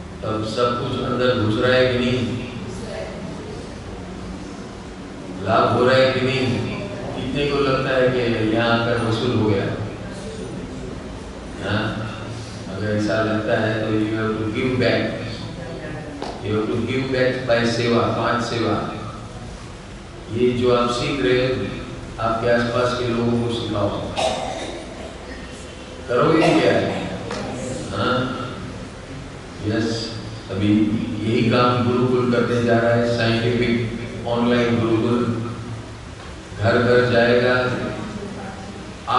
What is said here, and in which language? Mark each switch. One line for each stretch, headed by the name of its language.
Hindi: अब सब कुछ अंदर घुस रहा है कि नहीं? लाभ हो रहा है कि नहीं? कितने को लगता है कि यहाँ आकर वसूल हो गया? हाँ, अगर ऐसा लगता है तो
English: you have to give back. You have to give back by seva,
Hindi: पांच सेवा। ये जो आप सीख रहे हैं, आपके आसपास के लोगों को सिखाओ। करोगे क्या? हाँ, yes। अभी यही काम गुरुकुल करते जा रहा है, साइंटिफिक ऑनलाइन गुरुकुल, घर घर जाएगा।